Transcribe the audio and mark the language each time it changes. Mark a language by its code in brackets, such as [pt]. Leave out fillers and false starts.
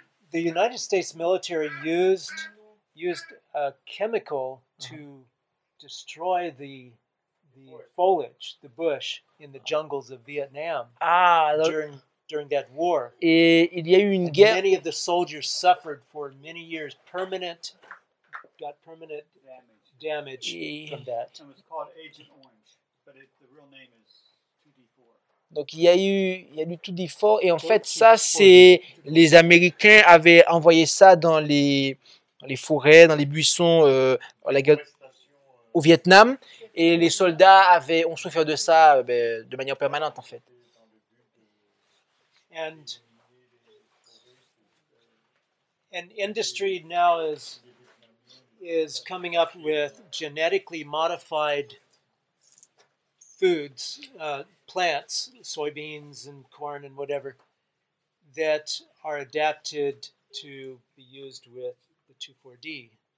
[en] The United States military used a chemical to destroy the foliage, the bush, in the jungles of Vietnam during that war. [fr] Et il y a eu une guerre. [en] Many of the soldiers suffered for many years, got permanent damage from that. And it's called Agent Orange, but the real name is. [fr] Donc il y a eu tout d'effort et en fait ça c'est les Américains avaient envoyé ça dans les forêts, dans les buissons au Vietnam et les soldats ont souffert de ça ben, de manière permanente en fait. [en] An industry now is coming up with genetically modified foods. Plants, soybeans and corn and whatever, that are adapted to be used with the 2,4-D.